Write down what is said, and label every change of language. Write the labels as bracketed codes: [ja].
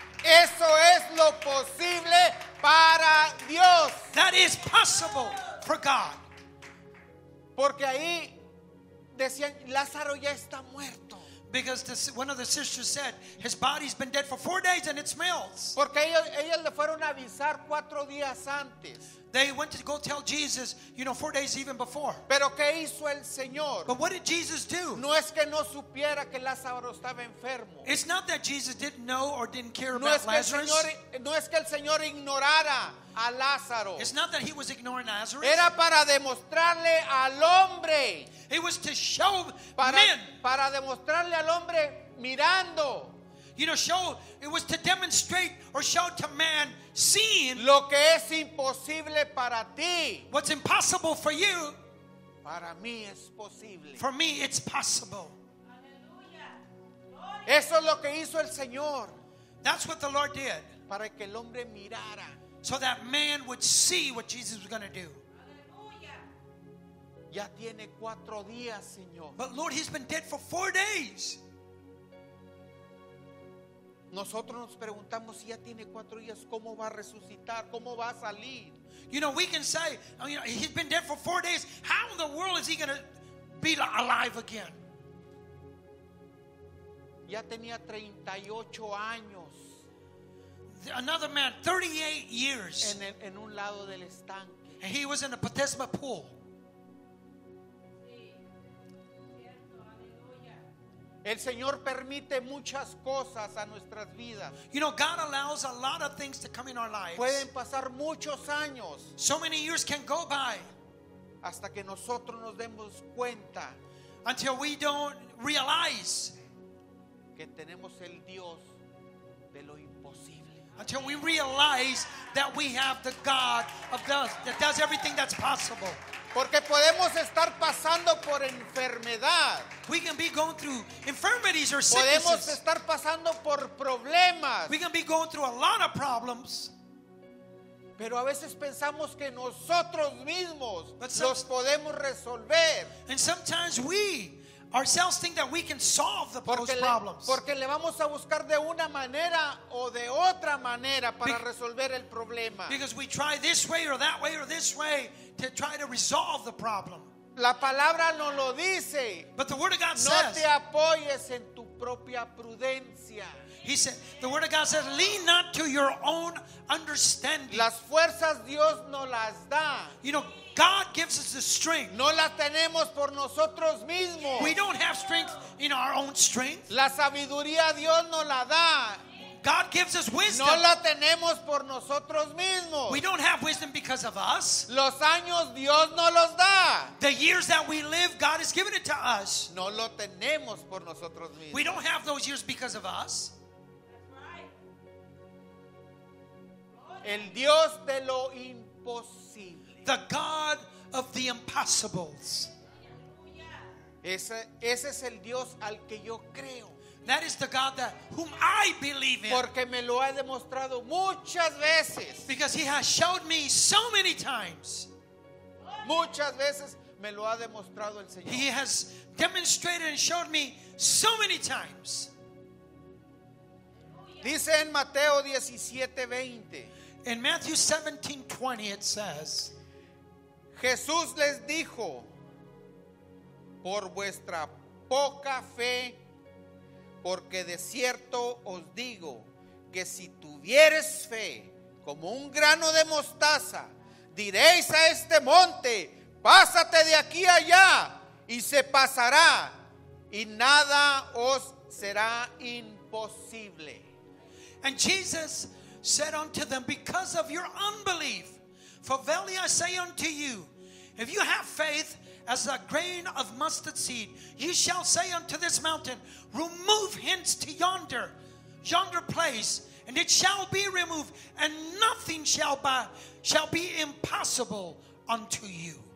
[es] Eso es lo posible para Dios. [en] That is possible for God. [es] Porque ahí decían, Lázaro ya está muerto. [en] Because one of the sisters said his body's been dead for 4 days and it smells. [es] Porque ellos le fueron a avisar 4 días antes. [en] They went to go tell Jesus, you know, 4 days even before. [es] Pero qué hizo el Señor? [en] But what did Jesus do? [es] No es que no supiera que Lázaro estaba enfermo. [en] It's not that Jesus didn't know or didn't care [es] no [en] about [es] es que [en] Lazarus. [es] Señor, no es que el Señor ignorara a Lázaro. [en] It's not that he was ignoring Lazarus. [es] Era para demostrarle al hombre. [en] It was to show men. [es] Para demostrarle al hombre mirando. [en] You know, show it was to demonstrate or show to man seeing [es] lo que es imposible para ti. [en] What's impossible for you, [es] para mí es posible. [en] For me, it's possible. [es] Eso es lo que hizo el Señor. [en] That's what the Lord did. [es] Para que el hombre mirara. [en] So that man would see what Jesus was going to do. [es] Ya tiene cuatro días, Señor. [en] But Lord, he's been dead for 4 days. [es] Nosotros nos preguntamos si ya tiene cuatro días, ¿cómo va a resucitar? ¿Cómo va a salir? [en] You know, we can say, you know, he's been dead for 4 days. How in the world is he going to be alive again? [es] Ya tenía 38 años. [en] another man, 38 years. [es] En un lado del estanque. [en] And he was in a baptismal pool. [es] El Señor permite muchas cosas a nuestras vidas. [en] You know, God allows a lot of things to come in our lives. [es] Pueden pasar muchos años. [en] So many years can go by. [es] Hasta que nosotros nos demos cuenta. [en] Until we don't realize. [es] Que tenemos el Dios de lo imposible. [en] Until we realize that we have the God of that does everything that's possible. [es] Porque podemos estar pasando por enfermedad. [en] We can be going through infirmities or sicknesses. [es] Podemos estar pasando por problemas. [en] We can be going through a lot of problems. [es] Pero a veces pensamos que nosotros mismos los podemos resolver. [en] And sometimes we ourselves think that we can solve the problems. [es] Porque le vamos a buscar de una manera o de otra manera para resolver el problema. [en] Because we try this way or that way or this way to try to resolve the problem. [es] La palabra no lo dice. [en] But the word of God says, [es] te apoyes en tu propia prudencia. [en] He said, the word of God says, lean not to your own understanding. [es] Las fuerzas Dios no las da. [en] You know, God gives us the strength. [es] No la tenemos por nosotros mismos. [en] We don't have strength in our own strength. [es] La sabiduría Dios no la da. [en] God gives us wisdom. [es] No la tenemos por nosotros mismos. [en] We don't have wisdom because of us. [es] Los años Dios no los da. [en] The years that we live, God has given it to us. [es] No lo tenemos por nosotros mismos. [en] We don't have those years because of us. [es] El Dios de lo imposible. [en] The God of the impossibles. [es] Ese es el Dios al que yo creo. [en] That is the God that whom I believe in. [es] Porque me lo ha demostrado muchas veces. [en] Because he has showed me so many times. [es] Muchas veces me lo ha demostrado el Señor. [en] He has demonstrated and showed me so many times. [es] Dice en Mateo 17:20. [en] In Matthew 17:20 it says, [es] Jesús les dijo, por vuestra poca fe, porque de cierto os digo que si tuvieres fe como un grano de mostaza, diréis a este monte, pásate de aquí allá, y se pasará, y nada os será imposible. [en] And Jesus said unto them, because of your unbelief, for verily I say unto you, if you have faith as a grain of mustard seed, you shall say unto this mountain, remove hence to yonder place, and it shall be removed, and nothing shall be impossible unto you.